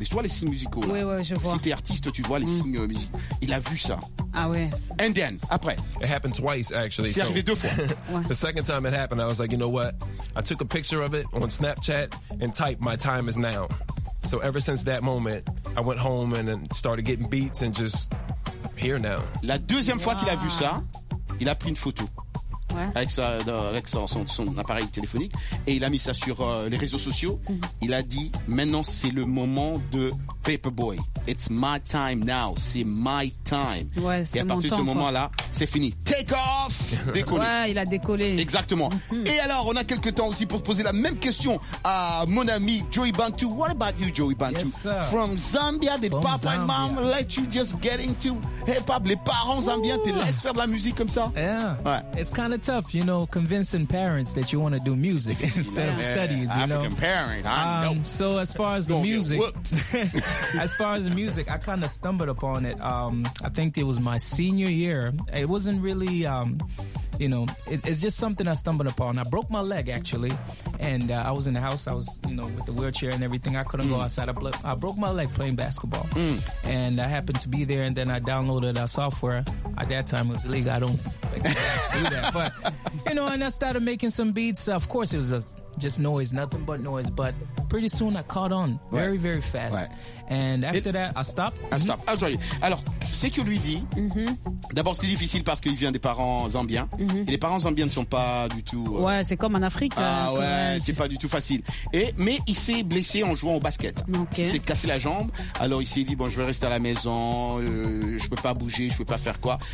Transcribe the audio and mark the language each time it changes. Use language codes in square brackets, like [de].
[fr] Tu vois les signes musicaux là. Oui, je vois. Si t'es artiste, tu vois les signes musicaux. Il a vu ça. Ah ouais. [en] And then, après. It happened twice, actually. [fr] C'est arrivé deux fois. [en] The second time it happened, I was like, you know what? I took a picture of it on Snapchat and typed, my time is now. So ever since that moment, I went home and started getting beats and just here now. [fr] La deuxième fois qu'il a vu ça, il a pris une photo. Avec sa, son appareil téléphonique. Et il a mis ça sur les réseaux sociaux. Il a dit, maintenant c'est le moment de Paperboy. [en] It's my time now. C'est my time. [fr] Ouais, c'est et à partir mon de ce temps, moment-là, quoi. C'est fini. [en] Take off! [fr] Décollé. Ouais, il a décollé. Exactement. Et alors, on a quelques temps aussi pour poser la même question à mon ami Joey Bantu. [en] What about you, Joey Bantu? Yes, sir. From Zambia, the from papa Zambia. And mom let you just get into hip-hop. [fr] Les parents zambiens te laissent faire de la musique comme ça? [en] Yeah. Ouais. It's kind of tough, you know, convincing parents that you want to do music instead of studies, you African know. Parent, I know. So as far as the music, I kind of stumbled upon it. I think it was my senior year. It wasn't really, you know, it's just something I stumbled upon. I broke my leg, actually, and I was in the house. I was, you know, with the wheelchair and everything. I couldn't go outside. I broke my leg playing basketball, and I happened to be there, and then I downloaded a software. At that time, it was illegal. I don't do that. But, you know, and I started making some beats. Of course, it was just noise, nothing but noise. But pretty soon, I caught on very, very fast. Right. And after that, I stopped. I stopped. Mm-hmm. [fr] Ah, alors, ce que lui dit, d'abord, c'est difficile parce qu'il vient des parents zambiens. Et les parents zambiens ne sont pas du tout... Ouais, c'est comme en Afrique. C'est pas du tout facile. Mais il s'est blessé en jouant au basket. [en] Okay. [fr] Il s'est cassé la jambe. Alors, il s'est dit, bon, je vais rester à la maison. Je peux pas bouger, je peux pas faire quoi.